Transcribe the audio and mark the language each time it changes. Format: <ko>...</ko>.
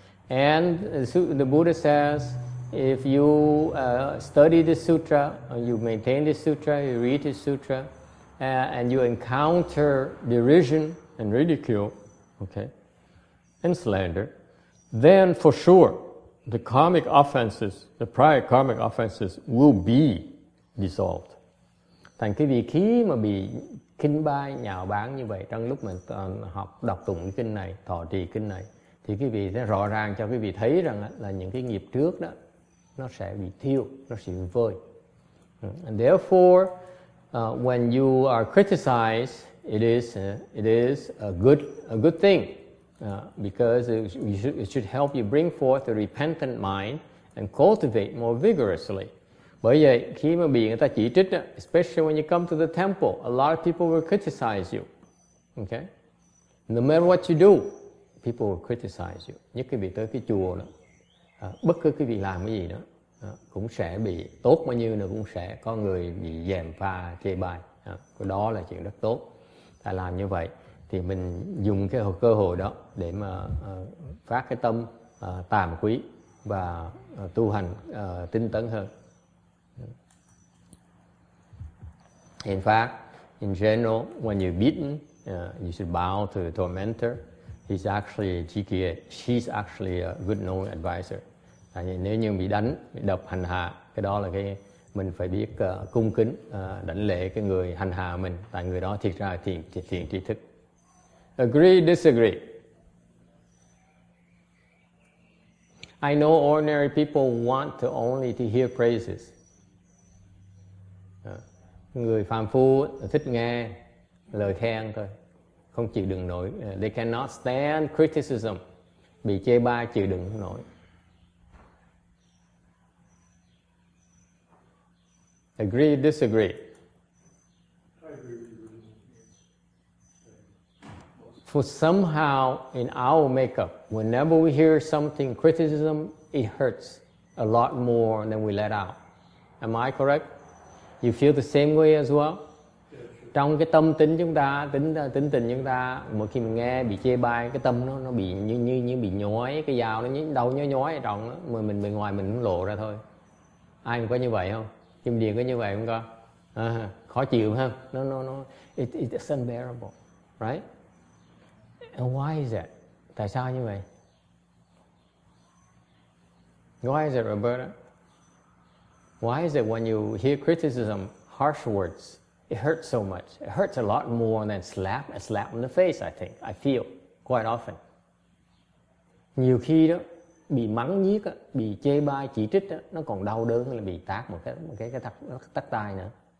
<en>And the Buddha says, if you study the sutra, you maintain the sutra, you read the sutra, and you encounter derision and ridicule, okay, and slander, then for sure the karmic offenses, the prior karmic offenses, will be dissolved.</en> <vi>Thành cái vị khí mà bị kinh bai nhào báng như vậy trong lúc mình học đọc tụng cái kinh này, thọ trì kinh này. Thì quý vị sẽ rõ ràng cho quý vị thấy rằng là những cái nghiệp trước đó nó sẽ bị thiêu, nó sẽ bị vơi.</vi> <en>And therefore, when you are criticized, it is a good thing because it should help you bring forth a repentant mind and cultivate more vigorously.</en> <vi>Bởi vậy, khi mà bị người ta chỉ trích,</vi> <en>especially when you come to the temple, a lot of people will criticize you. Okay? No matter what you do, people will criticize you.</en> <vi>Nhất cái vị tới cái chùa đó, bất cứ cái vị làm cái gì đó, cũng sẽ bị tốt bao nhiêu nữa cũng sẽ có người bị dèm pha chê bai. Đó là chuyện rất tốt. Ta làm như vậy thì mình dùng cái cơ hội đó để mà phát cái tâm tàm quý và tu hành tinh tấn hơn.</vi> <en>In fact, in general, when you're beaten, you should bow to the tormentor. He's actually a GKA. She's actually a good known advisor.</en> <vi>Nếu như bị đánh, bị đập hành hạ, cái đó là cái mình phải biết cung kính, đảnh lễ cái người hành hạ mình. Tại người đó thiệt ra thiện trí thức.</vi> <en>Agree, disagree. I know ordinary people want to only to hear praises.</en> <vi>Người phàm phu thích nghe lời khen thôi, không chịu đựng nổi.</vi> <en>They cannot stand criticism,</en> <vi>bị chê bai chịu đựng không nổi.</vi> <en>Agree, disagree. For somehow in our makeup, whenever we hear something criticism, it hurts a lot more than we let out. Am I correct? You feel the same way as well?</en> <vi>Trong cái tâm tính chúng ta, tính tình chúng ta, mỗi khi mình nghe bị chê bai, cái tâm nó bị như bị nhói, cái dao nó đau nhói ở trong đó, mà mình bên ngoài mình cũng lộ ra thôi. Ai cũng có như vậy không? Kim Điền có như vậy không con? Khó chịu ha?</vi> <en>No. It's unbearable, right? And why is that?</en> <vi>Tại sao như vậy?</vi> <en>Why is it, Roberta? Why is it when you hear criticism, harsh words, it hurts so much? It hurts a lot more than a slap in the face, I think. I feel quite often.</en> <vi>Nhiều khi đó, bị mắng nhiếc, bị chê bai, chỉ trích, đó, nó còn đau đớn là bị tát một cái tắc tai nữa.</vi>